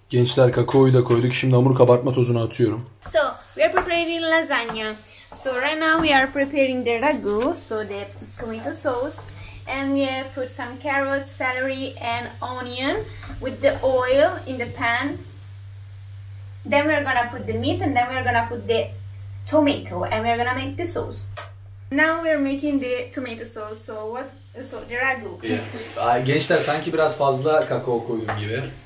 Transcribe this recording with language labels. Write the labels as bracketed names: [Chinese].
[Turkish] Gençler kakaoyu da koyduk, şimdi hamur kabartma tozunu atıyorum. [English] So, we are preparing lasagna. So right now we are preparing the ragu, so the tomato sauce, and we have put some carrots, celery, and onion with the oil in the pan. Then we are gonna put the meat, and then we are gonna put the tomato, and we are gonna make the sauce. Now we are making the tomato sauce. So what? So the ragu. Yeah. [Turkish] Ay, gençler sanki biraz fazla kakao koyuyorum gibi.